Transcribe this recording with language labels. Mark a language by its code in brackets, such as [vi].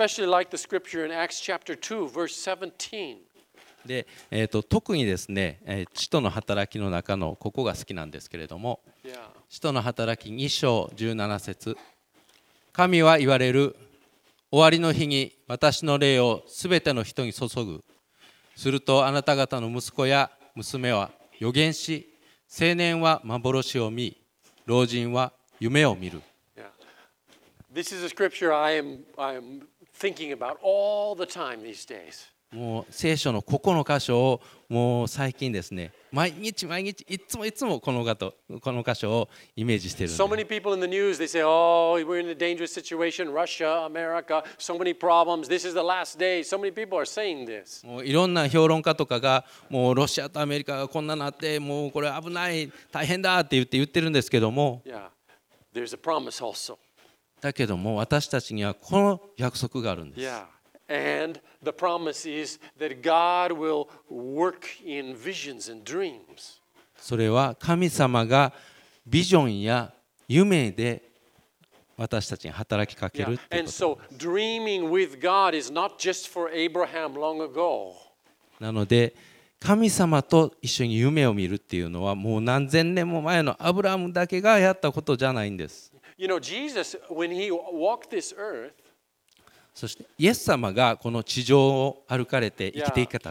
[en] I especially like the scripture in Acts chapter 2 verse 17. [ja] で特にですね、使徒の働きの中のここが好きなんですけれども、使徒の働き2章17節、神は言われる、終わりの日に私の霊をすべての人に注ぐ、するとあなた方の息子や娘は預言し、青年は幻を見、老人は夢を見る。 [en] This is a scripture I am thinking about all the time these days. [ja] もう聖書のここの箇所をもう最近ですね、毎日毎日いつもいつもこの箇所をイメージしているんです。 [en] So many people in the news, they say, oh, we're in a dangerous situation, Russia, America, so many problems, this is the last day. So many people are saying this. [ja] もういろんな評論家とかが、もうロシアとアメリカがこんななって、もうこれ危ない、大変だって言ってるんですけども。 [en] Yeah, there's a promise also. [ja] だけども私たちにはこの約束があるんです。 [en] Yeah. And the promise is that God will work in visions and dreams. [ja] それは神様がビジョンや夢で私たちに働きかけるということ。 [en] And so dreaming with God is not just for Abraham long ago. [ja] なので神様と一緒に夢を見るっていうのはもう何千年も前のアブラハムだけがやったことじゃないんです。 [en] You know, Jesus, when he walked this earth, [ja] そしてイエス様がこの地上を歩かれて生きていか